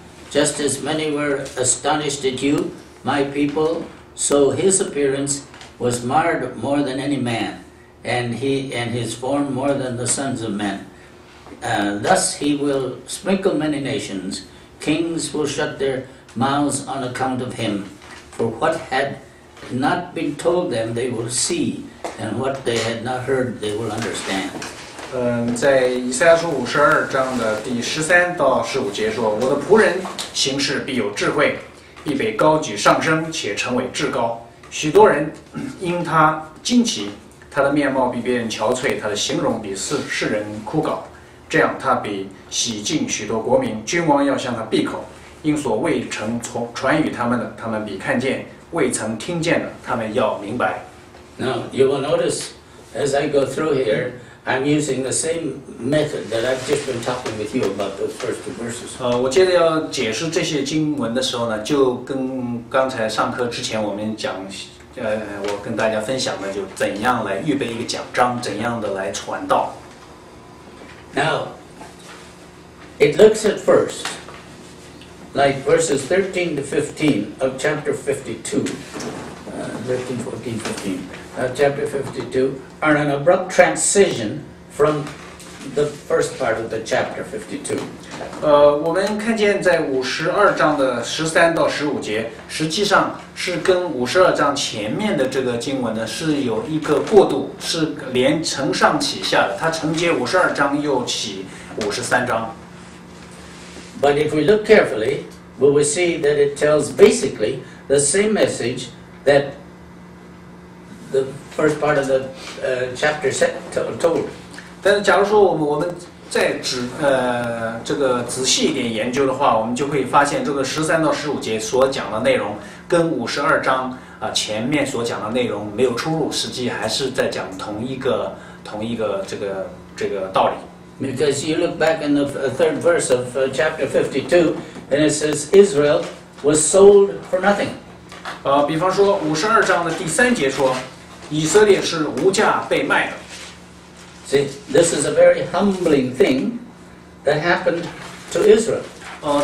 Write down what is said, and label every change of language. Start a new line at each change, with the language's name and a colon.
English: Just as many were astonished at you, my people, so his appearance was marred more than any man, and his form more than the sons of men. Thus he will sprinkle many nations, kings will shut their mouths on account of him, for what had not been told them, they will see, and what they had not heard, they will understand.
Chinese: 在以赛亚书五十二章的第13到15节说，我的仆人行事必有智慧，必被高举上升，且成为至高。许多人因他惊奇，他的面貌比别人憔悴，他的形容比世人枯槁。这样，他必洗净许多国民，君王要向他闭口，因所未曾传与他们的，他们必看见。未曾听见的，他们要明白。
English: Now you will notice as I go through here, I'm using the same method that I've just been talking with you about those first two verses.
Chinese: 我接着要解释这些经文的时候呢，就跟刚才上课之前我们讲，我跟大家分享的，就怎样来预备一个讲章，怎样的来传道。
English: Now it looks at first. Like verses 13 to 15 of chapter 52, 52, are an abrupt transition from the first part of the chapter 52.
Chinese: 我们看见在52章的13到15节，实际上是跟52章前面的这个经文呢，是有一个过渡，是连承上启下的，它承接52章又起53章。
English: But if we look carefully,we will see that it tells basically the same message that the first part of the chapter told.
Chinese: 但是假如说我们再这个仔细一点研究的话，我们就会发现这个13到15节所讲的内容跟52章前面所讲的内容没有出入，实际还是在讲同一个这个道理。
English: Because you look back in the third verse of chapter 52, and it says Israel was sold for nothing.
Chinese: 比方说52章的第三节说，以色列是无价被卖的。
English: See, this is a very humbling thing that happened to Israel.